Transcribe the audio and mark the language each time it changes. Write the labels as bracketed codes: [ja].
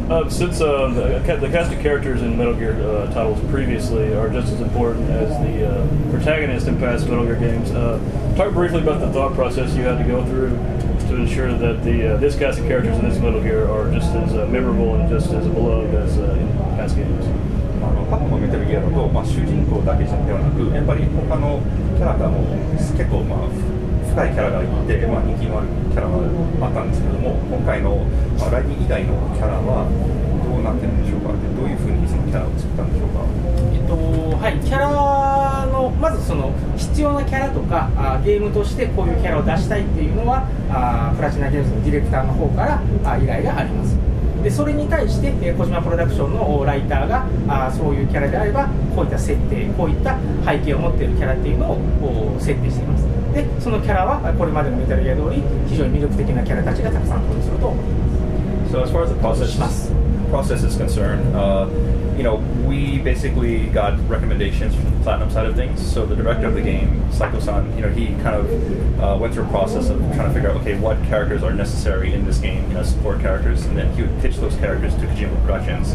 [en] Since the cast of characters in Metal Gear titles previously are just as important as the protagonist in past Metal Gear games, talk briefly about the thought process you had to go through to ensure that this cast of characters in this Metal Gear are just as memorable and just as beloved as in past games. [ja] Metal Gear だと、まあ、主人公だけじゃなくて、やっぱり他のキャラクターも結構、まあ、深いキャラがいて、まあ、人気のあるキャラがあったんですけども、今回の、まあ、ライディン以外のキャラはどうなってるんでしょうか。どういうふうにそのキャラを作ったんでしょうか。はい、キャラのまずその必要なキャラとかゲームとしてこういうキャラを出したいっていうのはプラチナゲームズのディレクターの方から依頼があります。でそれに対して Kojima Productionのライターがそういうキャラであればこういった設定こういった背景を持っているキャラっていうのを設定しています。でそのキャラはこれまでのメタルギア通り非常に魅力的なキャラたちがたくさん登場すると思います。 [en] So as far as the process is concerned, you know, we basically got recommendations from the Platinum side of things. So the director of the game, Saiko-san, you know, he kind of went through a process of trying to figure out, okay, what characters are necessary in this game, you know, support characters, and then he would pitch those characters to Kojima Productions.